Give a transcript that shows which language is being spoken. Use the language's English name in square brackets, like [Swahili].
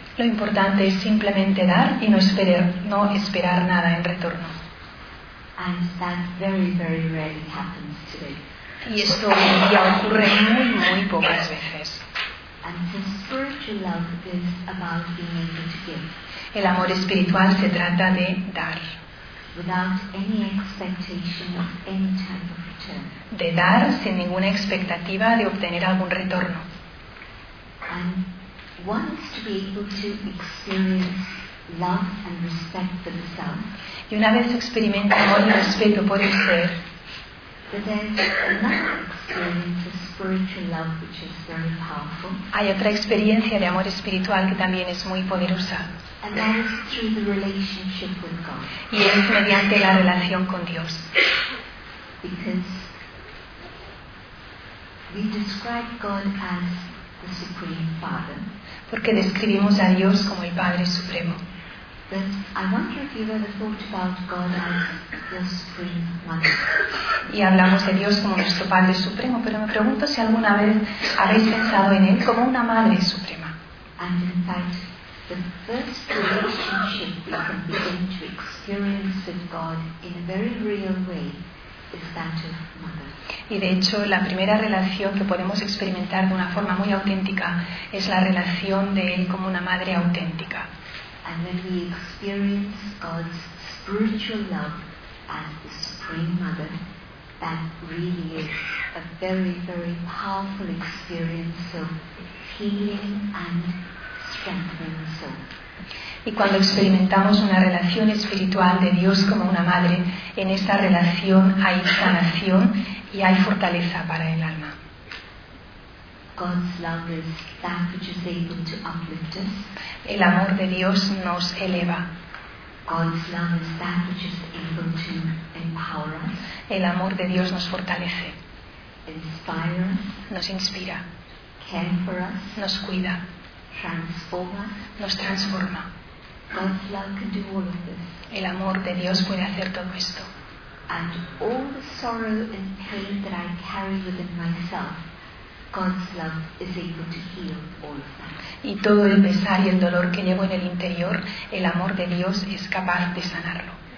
[Spanish] Lo importante es simplemente dar y no esperar nada en retorno. [English] And that very, very rarely happens today. [Spanish] Y esto ya ocurre muy, muy pocas veces. [English] And so spiritual love is about being able to give. [Spanish] El amor espiritual se trata de dar. [English] Without any expectation of any type of return. [Spanish] De dar sin ninguna expectativa de obtener algún retorno. [English] And one is to be able to experience love and respect for the self. [Spanish] Y una vez experimenta amor y respeto por el ser. [English] But there's another experience of spiritual love which is very powerful. [Spanish] Hay otra experiencia de amor espiritual que también es muy poderosa. [English] And that is through the relationship with God. [Spanish] Y es mediante la relación con Dios. [English] Because we describe God as the Supreme Father. [Spanish] Porque describimos a Dios como el Padre Supremo. [English] But I wonder if you've ever thought about God as your Supreme Mother. [Spanish] Y hablamos de Dios como nuestro Padre Supremo, pero me pregunto si alguna vez habéis pensado en Él como una Madre Suprema. [English] And in fact, the first relationship we can begin to experience with God in a very real way is that of Mother. [Spanish] Y de hecho, la primera relación que podemos experimentar de una forma muy auténtica es la relación de Él como una Madre auténtica. [English] And when we experience God's spiritual love as the Supreme Mother, that really is a very, very powerful experience of healing and strengthening soul. [Spanish] Y cuando experimentamos una relación espiritual de Dios como una madre, en esa relación hay sanación y hay fortaleza para el alma. [English] God's love is that which is able to uplift us. [Spanish] El amor de Dios nos eleva. [English] God's love is that which is able to empower us. [Spanish] El amor de Dios nos fortalece. [English] Inspire us. [Spanish] Nos inspira. [English] Care for us. [Spanish] Nos cuida. [English] Transform us. [Spanish] Nos transforma. [English] God's love can do all of this. [Spanish] El amor de Dios puede hacer todo esto. [English] And all the sorrow and pain that I carry within myself, God's love is able to heal all of that. [Spanish] Y todo el pesar y el dolor que llevo en el interior, el amor de Dios es capaz de sanarlo.